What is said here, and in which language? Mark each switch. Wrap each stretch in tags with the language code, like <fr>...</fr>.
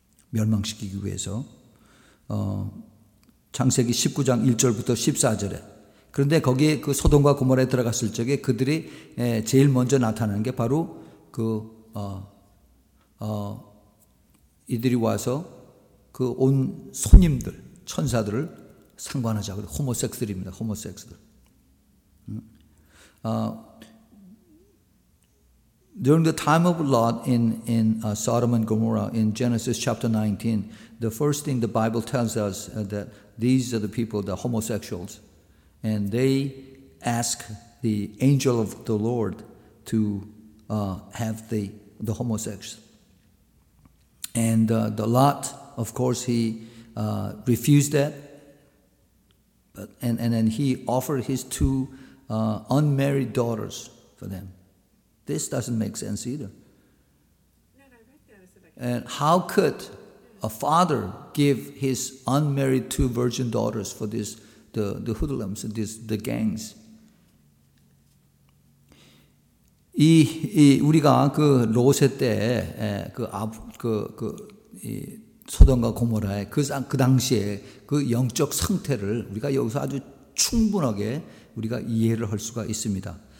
<ko>멸망시키기 위해서 창세기 19장 1절부터 14절에 그런데 거기에 그 소돔과 고모라에 들어갔을 적에 그들이 제일 먼저 나타나는 게 바로 그 이들이 와서 그 온 손님들 천사들을 상관하자 그래 호모섹스들입니다 호모섹스들.</ko> <en>During the time of Lot in Sodom and Gomorrah in Genesis chapter 19, the first thing the Bible tells us that these are the people, the homosexuals, and they ask the angel of the Lord to have the homosexuals. And the Lot, of course, he refused that. And then he offered his two unmarried daughters for them. This doesn't make sense either. And how could a father give his unmarried two virgin daughters for this the hoodlums, the gangs?</en> <ko>이 우리가 그 로세 때 그 소돔과 고모라의 그 당시에 그 영적 상태를 우리가 여기서 아주 충분하게 우리가 이해를 할 수가 있습니다.</ko>